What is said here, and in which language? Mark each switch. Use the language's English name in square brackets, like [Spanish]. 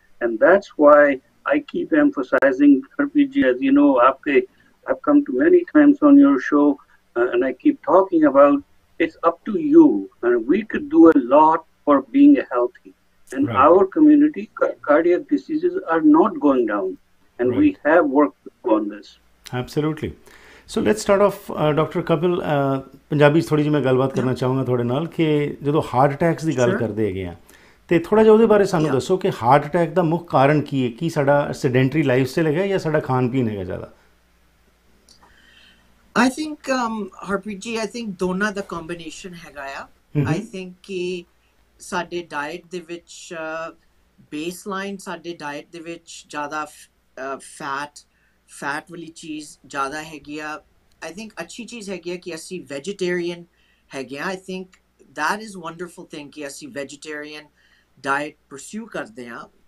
[English] And that's why I keep emphasizing, RPG, as you know, I've come to many times on your show, and I keep talking about it's up to you. And we could do a lot for being healthy. And right. Our community, cardiac diseases are not going down. And right. We have worked on this. Absolutely. So let's start off, Dr. Kapil. [Punjabi] Punjabi 'ਚ ਥੋੜ੍ਹੀ ਜਿਹੀ ਮੈਂ ਗੱਲਬਾਤ ਕਰਨਾ ਚਾਹੂੰਗਾ ਤੁਹਾਡੇ ਨਾਲ ਕਿ ਜਦੋਂ ਹਾਰਟ ਅਟੈਕਸ ਦੀ ਗੱਲ ਕਰਦੇ ਹੈਗੇ ਆ ਤੇ ਥੋੜ੍ਹਾ ਜਿਹਾ ਉਹਦੇ ਬਾਰੇ ਸਾਨੂੰ ਦੱਸੋ ਕਿ ਹਾਰਟ ਅਟੈਕ ਦਾ ਮੁੱਖ ਕਾਰਨ ਕੀ ਹੈ, ਕੀ ਸਾਡਾ ਸੈਡੈਂਟਰੀ ਲਾਈਫ ਸਟਾਈਲ ਹੈਗਾ ਜਾਂ ਸਾਡਾ ਖਾਣ ਪੀਣ ਹੈਗਾ ਜ਼ਿਆਦਾ। [English] I think Harpreet ji, I think [Punjabi] ਦੋਨਾਂ ਦਾ ਕੰਬੀਨੇਸ਼ਨ ਹੈਗਾ ਆ। I think ਕਿ ਸਾਡੇ ਡਾਈਟ ਦੇ ਵਿੱਚ ਬੇਸਲਾਈਨ ਸਾਡੇ ਡਾਈਟ ਦੇ ਵਿੱਚ ਜ਼ਿਆਦਾ ਫੈਟ ਵਾਲੀ ਚੀਜ਼ ਜ਼ਿਆਦਾ ਹੈਗੀ ਆ। I think achhi cheez hai ki assi vegetarian hai gaya. [English] I think that is wonderful thing [Punjabi] ki assi vegetarian diet pursue karde hain.